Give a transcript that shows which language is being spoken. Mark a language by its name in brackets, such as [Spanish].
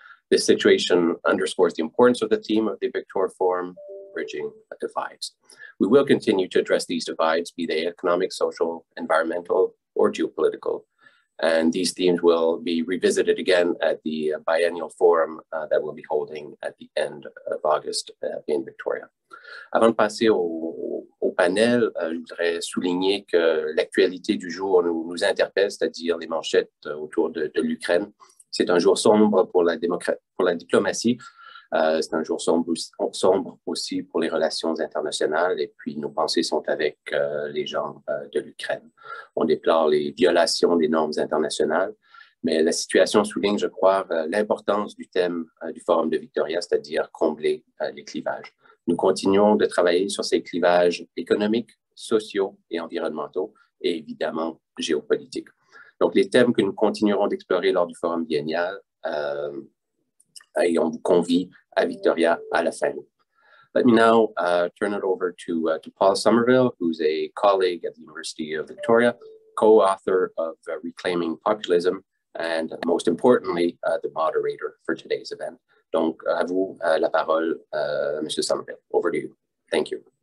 [English] This situation underscores the importance of the theme of the Victoria Forum, bridging divides. We will continue to address these divides, be they economic, social, environmental, or geopolitical. And these themes will be revisited again at the biennial forum that we'll be holding at the end of August in Victoria. [French] Avant de passer au panel, je voudrais souligner que l'actualité du jour nous interpelle, c'est-à-dire les manchettes autour de l'Ukraine. C'est un jour sombre pour la diplomatie. C'est un jour sombre aussi pour les relations internationales et puis nos pensées sont avec les gens de l'Ukraine. On déplore les violations des normes internationales, mais la situation souligne, je crois, l'importance du thème du Forum de Victoria, c'est-à-dire combler les clivages. Nous continuons de travailler sur ces clivages économiques, sociaux et environnementaux et évidemment géopolitiques. Donc les thèmes que nous continuerons d'explorer lors du Forum biennial, et on vous convie à Victoria à la fin. [English] Let me now turn it over to Paul Somerville, who's a colleague at the University of Victoria, co-author of Reclaiming Populism, and most importantly, the moderator for today's event. [French] Donc, à vous la parole, Monsieur Somerville. [English] Over to you. Thank you.